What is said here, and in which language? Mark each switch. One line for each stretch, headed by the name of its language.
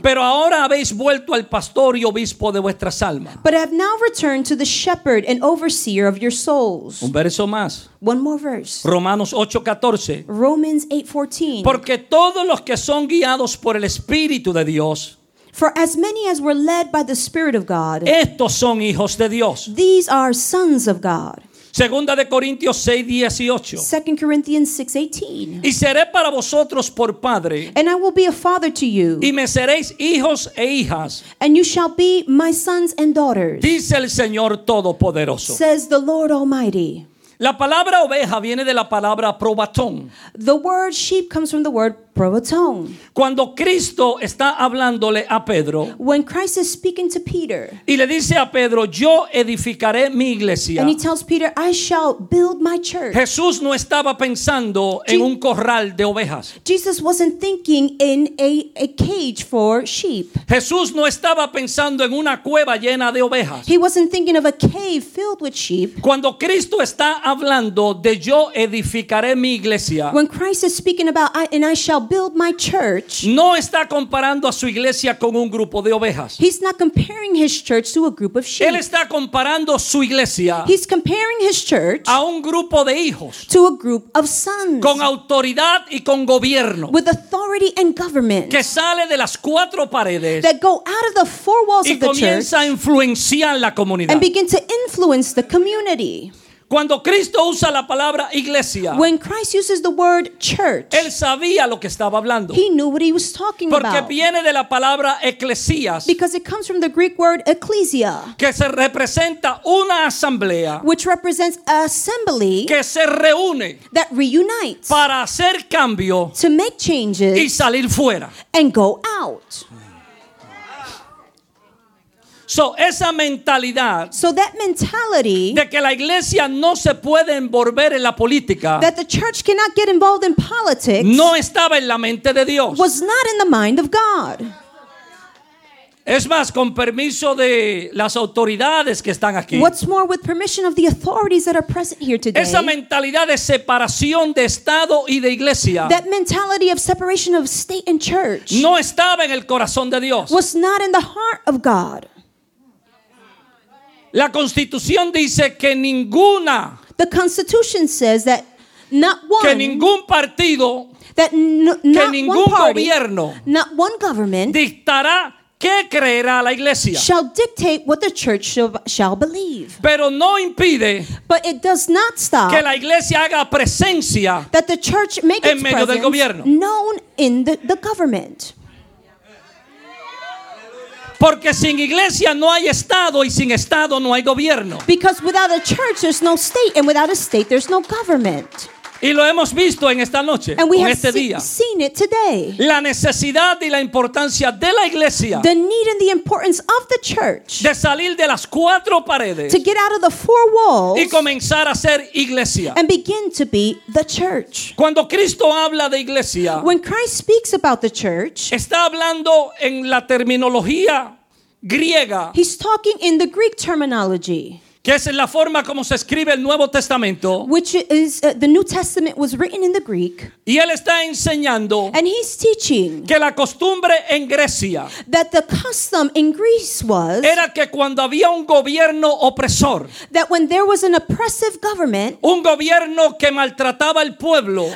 Spanish: Pero ahora habéis vuelto al pastor y obispo de vuestras almas.
English: But have now returned to the shepherd and overseer of your souls.
Spanish: Un verso más.
English: One more verse.
Spanish: Romanos 8:14.
English: Romans 8:14.
Spanish: Porque todos los que son guiados por el Espíritu de Dios.
English: For as many as were led by the Spirit of God.
Spanish: Estos son hijos de Dios.
English: These are sons of God.
Spanish: Segunda de Corintios 6:18.
English: 2 Corinthians 6:18.
Spanish: Y seré para vosotros por padre.
English: And I will be a father to you.
Spanish: Y me seréis hijos e hijas.
English: And you shall be my sons and daughters.
Spanish: Dice el Señor Todopoderoso.
English: Says the Lord Almighty.
Spanish: La palabra oveja viene de la palabra probatón.
English: The word sheep comes from the word probatón.
Spanish: Cuando Cristo está hablándole a Pedro,
English: when Christ is speaking to Peter,
Spanish: y le dice a Pedro, yo edificaré mi iglesia,
English: and he tells Peter, I shall build my church.
Spanish: Jesús no estaba pensando en un corral de ovejas.
English: Jesus wasn't thinking in a cage for sheep.
Spanish: Jesús no estaba pensando en una cueva llena de ovejas.
English: He wasn't thinking of a cave filled with sheep.
Spanish: Cuando Cristo está hablando de yo edificaré mi iglesia,
English: when Christ is speaking about and I shall build my church,
Spanish: no está comparando a su iglesia con un grupo de ovejas.
English: He's not comparing his church to a group of sheep.
Spanish: Él está comparando su iglesia,
English: he's comparing his church,
Spanish: a un grupo de hijos,
English: to a group of sons,
Spanish: con autoridad y con gobierno,
English: with authority and government,
Spanish: que sale de las cuatro paredes,
English: that go out of the four walls of the church,
Spanish: y comienza a influenciar la comunidad,
English: and begin to influence the community.
Spanish: Cuando Cristo usa la palabra iglesia,
English: when Christ uses the word church,
Spanish: él sabía lo que estaba hablando.
English: He knew what he was talking
Spanish: porque
English: about.
Spanish: Porque viene de la palabra eclesias,
English: because it comes from the Greek word ecclesia,
Spanish: que se representa una asamblea,
English: which represents assembly,
Spanish: que se reúne,
English: that reunites,
Spanish: para hacer cambio,
English: to make changes,
Spanish: y salir fuera,
English: and go out.
Spanish: So esa mentalidad,
English: so that mentality,
Spanish: de que la iglesia no se puede envolver en la política,
English: that the church cannot get involved in politics,
Spanish: no estaba en la mente de Dios,
English: was not in the mind of God.
Spanish: Es más, con permiso de las autoridades que están aquí,
English: what's more, with permission of the authorities that are present here today,
Spanish: esa mentalidad de separación de Estado y de iglesia,
English: that mentality of separation of state and church,
Spanish: no estaba en el corazón de Dios,
English: was not in the heart of God.
Spanish: La Constitución dice que ninguna,
English: the Constitution says that not one,
Spanish: que ningún partido,
English: that not
Spanish: que ningún
English: one party,
Spanish: gobierno,
English: not one government,
Spanish: dictará qué creerá la iglesia,
English: shall dictate what the church shall believe.
Spanish: Pero no impide,
English: but it does not stop,
Spanish: que la iglesia haga presencia,
English: that the church make
Spanish: en medio del gobierno,
English: known in the government.
Spanish: Porque sin iglesia no hay Estado y sin Estado no hay gobierno.
English: Because without a church there's no state and without a state there's no government.
Spanish: Y lo hemos visto en esta noche,
English: and we
Spanish: en
English: have
Spanish: este día.
English: Seen it today.
Spanish: La necesidad y la importancia de la iglesia.
English: The need and the importance of the church.
Spanish: De salir de las cuatro paredes.
English: To get out of the four walls.
Spanish: Y comenzar a ser iglesia.
English: And begin to be the church.
Spanish: Cuando Cristo habla de iglesia.
English: When Christ speaks about the church.
Spanish: Está hablando en la terminología griega.
English: He's talking in the Greek terminology.
Spanish: Que es la forma como se escribe el Nuevo Testamento.
English: Which is the New Testament was written in the Greek.
Spanish: Y él está enseñando.
English: And he's teaching.
Spanish: Que la costumbre en Grecia.
English: That the custom in Greece was.
Spanish: Era que cuando había un gobierno opresor.
English: That when there was an oppressive government.
Spanish: Un gobierno que maltrataba al pueblo.